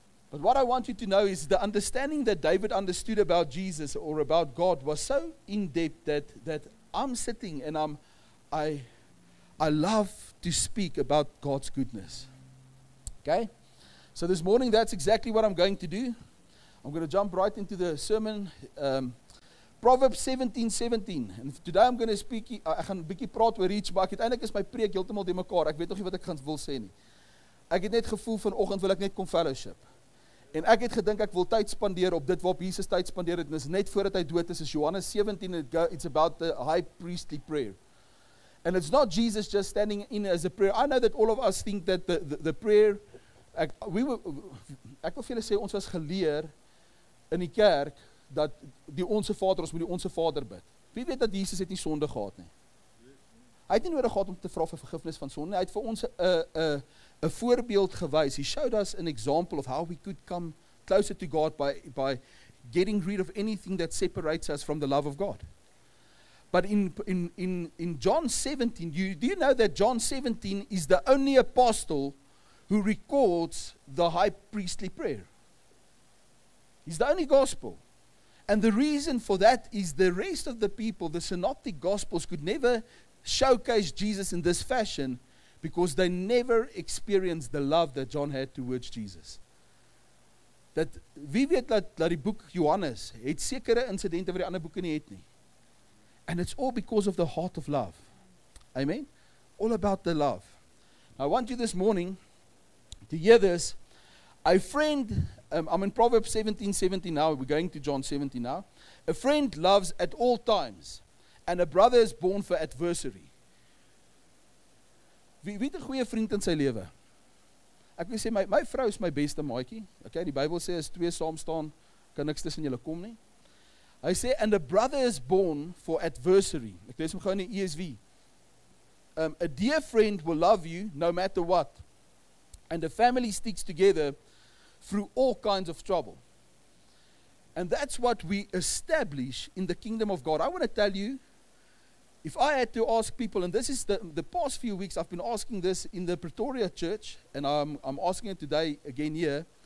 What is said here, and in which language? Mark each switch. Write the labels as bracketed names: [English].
[English] But what I want you to know is the understanding that David understood about Jesus or about God was so in-depth that I'm sitting and I love to speak about God's goodness. Okay? So this morning, that's exactly what I'm going to do. I'm going to jump right into the sermon. Proverbs 17:17. And today I'm going to speak, [Afrikaans] ek gaan 'n bietjie praat oor iets, maar uiteindelik is my preek heeltemal die mekaar. Ek weet nog nie wat ek gaan wil sê nie. Ek het net gevoel vanoggend wil ek net kom fellowship. En ek het gedink ek wil tyd spandeer op dit waarop Jesus tyd spandeer het, en is net voordat hy dood is, Johannes 17, [English] it's about the high priestly prayer. And it's not Jesus just standing in as a prayer. I know that all of us think that the prayer, [Afrikaans] ek wil vir julle sê, ons was geleer in die kerk, dat die onse vader, ons moet die onse vader bid. Wie weet dat Jesus het nie sonde gehad nie? Hy het nie nodig gehad om te vra vir vergifnis van sonde, hy het vir ons a voorbeeld gewys. [English] He showed us an example of how we could come closer to God by getting rid of anything that separates us from the love of God. But in John 17, do you know that John 17 is the only apostle who records the high priestly prayer? He's the only gospel. And the reason for that is the rest of the people, the synoptic gospels, could never showcase Jesus in this fashion because they never experienced the love that John had towards Jesus. [Afrikaans] That wie weet dat die boek Johannes het sekere insidente wat die ander boeke nie het nie. [English] And it's all because of the heart of love. Amen? All about the love. Now, I want you this morning to hear this. A friend, I'm in Proverbs 17:17 now, we're going to John 17 now. A friend loves at all times, and a brother is born for adversary. [Afrikaans] Wie het 'n goeie vriend in sy lewe? Ek wil sê, my vrou is my beste maatjie. Okay, die Bybel sê, as twee saam staan, kan niks tussen julle kom nie. Hy sê, [English] and a brother is born for adversary. [Afrikaans] Ek lees hom gou in die ESV. [English] A dear friend will love you no matter what. And the family sticks together through all kinds of trouble. And that's what we establish in the kingdom of God. I want to tell you, if I had to ask people, and this is the past few weeks, I've been asking this in the Pretoria church, and I'm asking it today again here.